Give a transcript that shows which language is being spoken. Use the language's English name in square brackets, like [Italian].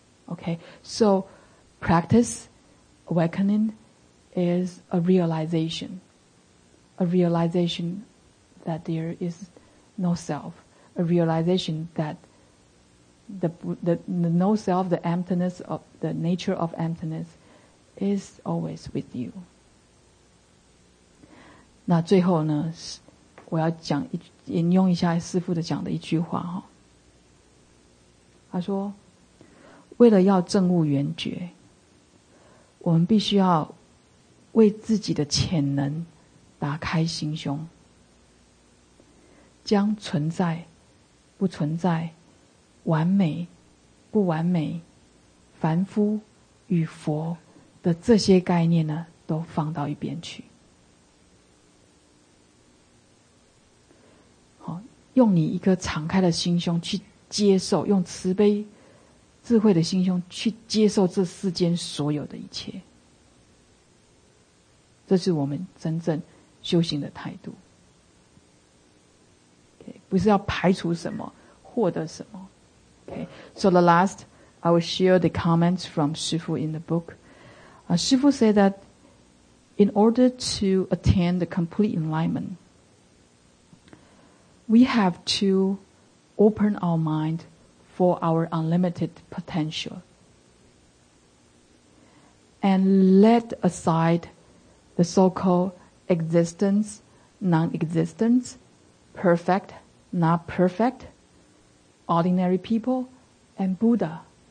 [English] Okay, so practice awakening is a realization. A realization that there is no self. A realization that the no self, the emptiness of the nature of emptiness, is always with you. [Chinese] 那最后呢，我要讲一引用一下师父的讲的一句话哈。他说，为了要证悟圆觉，我们必须要为自己的潜能打开心胸，将存在、不存在、完美、不完美、凡夫与佛的这些概念呢，都放到一边去。好，用你一个敞开的心胸去接受，用慈悲、智慧的心胸去接受这世间所有的一切。这是我们真正修行的态度。 Okay, 不是要排除什么，获得什么。 [English] Okay, so the last, I will share the comments from Shifu in the book. Shifu said that in order to attain the complete enlightenment, we have to open our mind for our unlimited potential and let aside the so-called existence, non-existence, perfect, not perfect, ordinary people, and Buddha.